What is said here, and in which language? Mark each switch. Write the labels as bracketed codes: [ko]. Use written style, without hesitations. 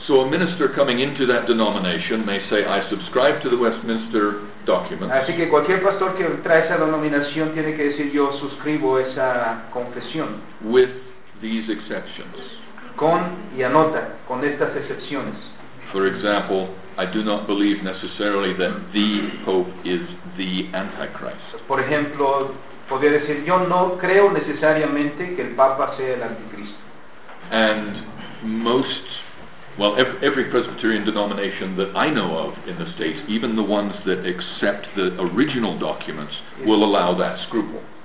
[en] So a minister coming into that denomination may say, I subscribe to the Westminster documents. [es] Así que cualquier pastor que entra a esa denominación tiene que decir, yo suscribo esa confesión. [en] With these exceptions. [es] Con y anota con estas excepciones. [en] For example, I do not believe necessarily that the Pope is the Antichrist. [es] Por ejemplo, podría decir, yo no creo necesariamente que el Papa sea el Anticristo. [en] And most, well, every Presbyterian denomination that I know of in the States, even the ones that accept the original documents, will allow that scruple.